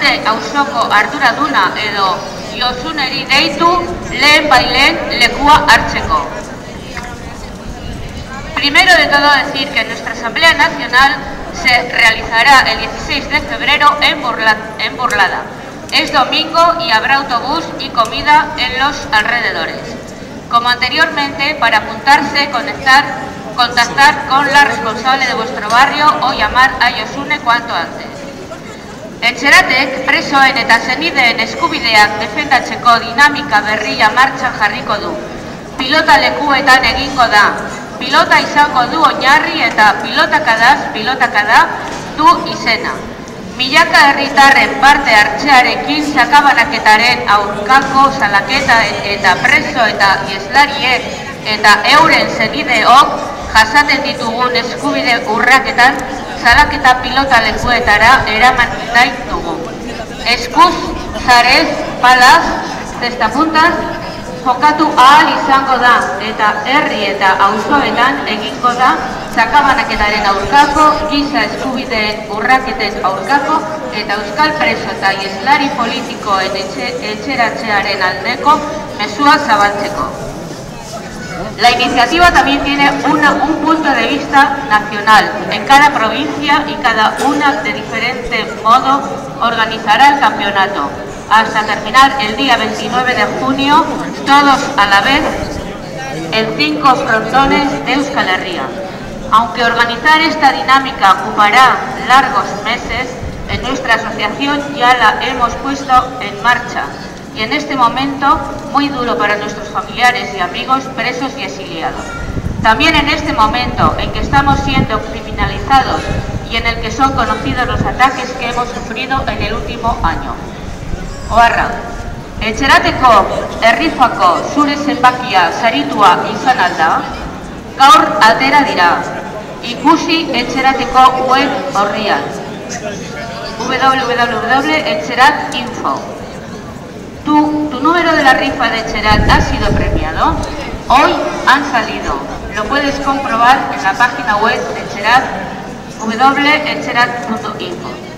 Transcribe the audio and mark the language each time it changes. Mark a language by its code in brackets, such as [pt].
[eu] auzoko arduraduna edo josuneri deitu lehen bai lehen lekua hartzeko. [es] Primero de todo decir que nuestra Asamblea Nacional se realizará el 16 de febrero en Burlada. Es domingo y habrá autobús y comida en los alrededores. Como anteriormente, para apuntarse, contactar con la responsable de vuestro barrio o llamar a Josune cuanto antes. [eu] Etxeratek, presoen eta senideen eskubideak defendatzeko dinamika berria martxan jarriko du. Pilota lekuetan egingo da. Pilota izango du oinarri eta pilotakadaz pilotakada du izena. Milaka herritarren parte hartzearekin sakabanaketaren aurkako salaketa eta preso eta ieslariek eta euren senideok jasaten ditugun eskubide urraketan salaketa pilota lekuetara eraman daitugu. Eskuz, zarez, palaz, testapuntaz, jokatu ahal izango da eta herri eta auzoetan egingo da sakabanaketaren aurkako, giza eskubideen urraketen aurkako eta euskal preso eta ieslari politikoen etxeratzearen aldeko mezua zabaltzeko. [es] La iniciativa también tiene un punto de vista nacional. En cada provincia y cada una de diferente modo organizará el campeonato. Hasta terminar el día 29 de junio, todos a la vez, en 5 frontones de Euskal Herria. Aunque organizar esta dinámica ocupará largos meses, en nuestra asociación ya la hemos puesto en marcha. Y en este momento, muy duro para nuestros familiares y amigos presos y exiliados. También en este momento en que estamos siendo criminalizados y en el que son conocidos los ataques que hemos sufrido en el último año. [eu] Oarra, etxerateko errifako zure zenbakia saritua izan alda, gaur atera dira, ikusi etxerateko web horrian, www.etxerat.info. [es] Tu número de la rifa de Etxerat ha sido premiado. Hoy han salido. Lo puedes comprobar en la página web de Etxerat, www.etxerat.info.